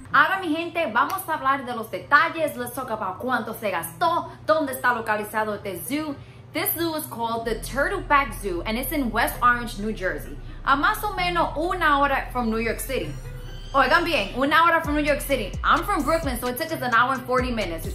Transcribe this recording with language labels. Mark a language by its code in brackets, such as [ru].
[es] Ahora mi gente, vamos a hablar de los detalles. [en] Let's talk about [es] cuánto se gastó, dónde está localizado este zoo. [en] This zoo is called the Turtleback Zoo and it's in West Orange, New Jersey. [es] A más o menos una hora [en] from New York City. [es] Oigan bien, una hora [en] from New York City. I'm from Brooklyn, so it took us an hour and 40 minutes.